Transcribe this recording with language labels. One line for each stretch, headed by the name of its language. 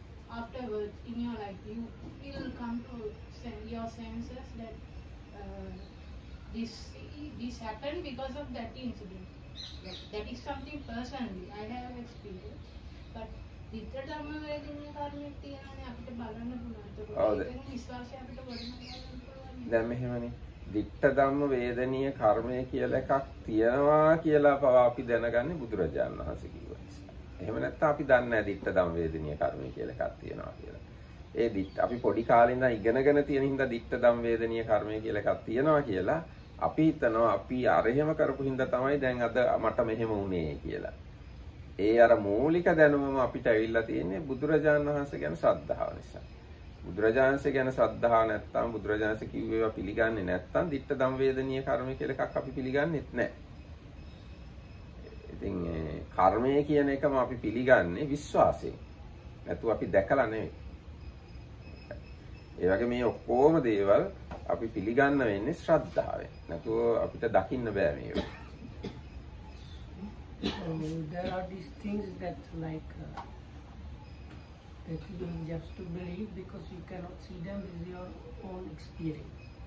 English: afterwards in your life, you will come to your senses that this happened because of that incident. That is something personally I have experienced.
Sinhala: But විතර ධර්ම වේදිනේ කර්මයක් තියෙනවානේ අපිට බලන්න පුළුවන්. ඒක විශ්වාසය අපිට වඩන්න දැන් මෙහෙමනේ. දිට්ඨ ධම්ම වේදනීය කර්මය කියලා එකක් තියෙනවා කියලා පව අපි දැනගන්නේ බුදුරජාණන් වහන්සේ කිව්වා. එහෙම නැත්නම් අපි දන්නේ නැහැ දිට්ඨ ධම්ම වේදනීය කර්මය කියලා එකක් තියෙනවා කියලා. ඒ දිට්ඨ අපි පොඩි කාලේ ඉඳන් ඉගෙනගෙන තියෙන හින්දා දිට්ඨ ධම්ම වේදනීය කර්මය කියලා එකක් තියෙනවා කියලා අපි හිතනවා අපි අරහෙම කරපු හින්දා තමයි දැන් අද මට මෙහෙම වුනේ කියලා. ඒ අර මූලික දැනුමම අපිට ඇවිල්ලා තියෙන්නේ බුදුරජාණන් වහන්සේ ගැන ශ්‍රද්ධාව නිසා. බුදුරජාණන්සේ ගැන ශ්‍රද්ධාව නැත්තම් බුදුරජාණන්සේ කිව්ව ඒවා පිළිගන්නේ නැත්තම් ditth dam vedaniya karma කියලා එකක් අපි පිළිගන්නෙත් නැහැ. ඉතින් ඒ කර්මය කියන එකම අපි පිළිගන්නේ විශ්වාසයෙන්. නැතු අපි දැකලා නෙවෙයි. ඒ වගේ මේ ඔක්කොම දේවල් අපි පිළිගන්න වෙන්නේ ශ්‍රද්ධාවෙන්. නැතු අපිට දකින්න බෑ මේවා.
English: There are these things that that you don't have to believe because you cannot see them with your own experience.